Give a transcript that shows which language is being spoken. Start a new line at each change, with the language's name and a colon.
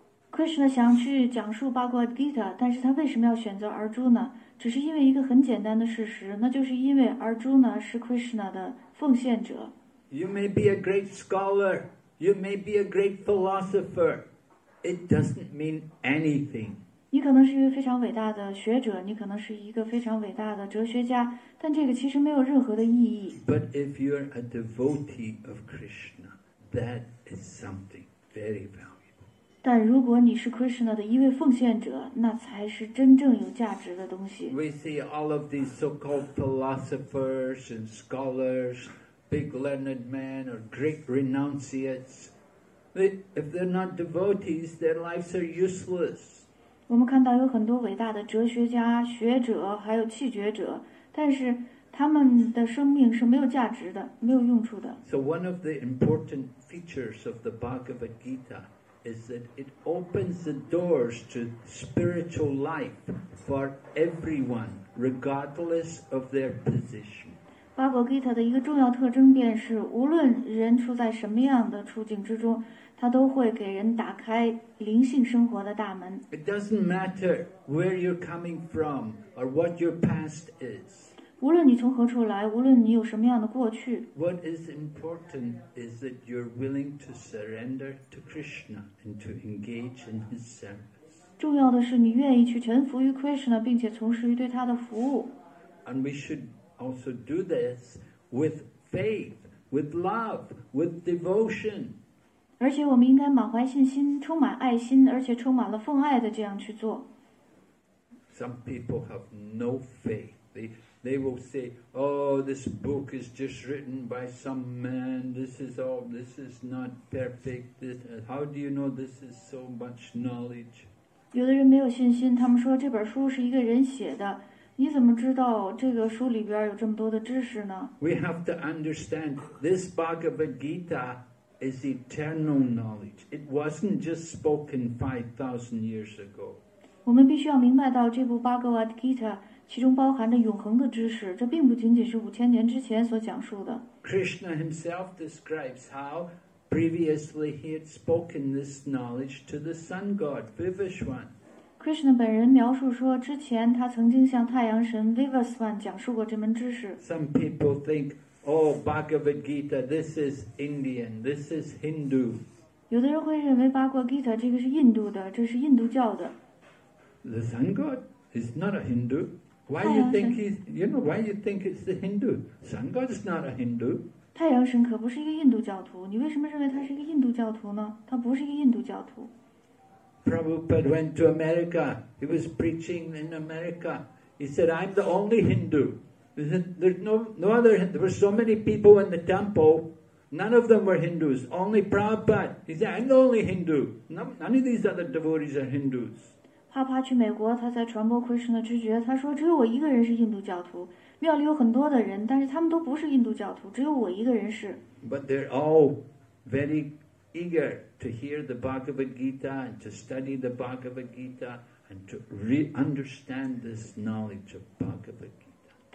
Chinese: Krishna 想去讲述 Bhagavad Gita, 但是他为什么要选择 Arjuna? 只是因为一个很简单的事实，那就是因为 Arjuna 是 Krishna 的奉献者。
English: You may be a great scholar, you may be a great philosopher, it doesn't mean anything.
Chinese: 你可能是一位非常伟大的学者，你可能是一个非常伟大的哲学家，但这个其实没有任何的意义。
English: But if you're a devotee of Krishna, that is something very valuable.
Chinese: 但如果你是 Krishna 的一位奉献者，那才是真正有价值的东西。
English: We see all of these so-called philosophers and scholars, big learned men or great renunciates. If they're not devotees, their lives are useless.
Chinese: 我们看到有很多伟大的哲学家、学者还有弃绝者，但是他们的生命是没有价值的，没有用处的。
English: So one of the important features of the Bhagavad Gita. Is that it opens the doors to spiritual life for everyone, regardless of their position.
Chinese: Bhagavad Gita 的一个重要特征便是，无论人处在什么样的处境之中，它都会给人打开灵性生活的大门。
English: It doesn't matter where you're coming from or what your past is.
Chinese: 无论你从何处来，无论你有什么样的过去。
English: What is important is that you're willing to surrender to Krishna. And to engage in his service.
Chinese: 重要的是你愿意去臣服于 Krishna 并且从事于对他的服务。
English: And we should also do this with faith, with love, with devotion.
Chinese: 而且我们应该满怀信心，充满爱心，而且充满了奉爱的这样去做。
English: Some people have no faith. They will say, oh, this book is just written by some man. This is not perfect. How do you know this is so much knowledge?
Chinese: 有的人没有信心，他们说这本书是一个人写的。你怎么知道这个书里边有这么多的知识呢？
English: We have to understand this Bhagavad Gita is eternal knowledge. It wasn't just spoken 5,000 years ago.
Chinese: 我们必须要明白到这部 Bhagavad Gita其中包含着永恒的知识，这并不仅仅是五千年之前所讲述的。
English: Krishna himself describes how previously he had spoken this knowledge to the sun god Vivaswan.
Chinese: Krishna 本人描述说，之前他曾经向太阳神 Vivaswan 讲述过这门知识。
English: Some people think, oh, Bhagavad Gita, this is Indian, this is Hindu.
Chinese: 有的人会认为 Bhagavad Gita 这个是印度的，这是印度教的。
English: The sun god is not a Hindu. Why you think why you think it's the Hindu? Sun God is not a Hindu.
Chinese: 太阳神可不是一个印度教徒。你为什么认为他是一个印度教徒呢？他不是一个印度教徒。
English: Prabhupada went to America. He was preaching in America. He said, "I'm the only Hindu." There's no other. There were so many people in the temple. None of them were Hindus. Only Prabhupada. He said, "I'm the only Hindu." None of these other devotees are Hindus.
Chinese: 帕帕去美国，他在传播 Krishna 之觉，他说只有我一个人是印度教徒，庙里有很多的人，但是他们都不是印度教徒，只有我一个人是。
English: But they're all very eager to hear the Bhagavad Gita and to study the Bhagavad Gita and to re-understand this knowledge of Bhagavad Gita.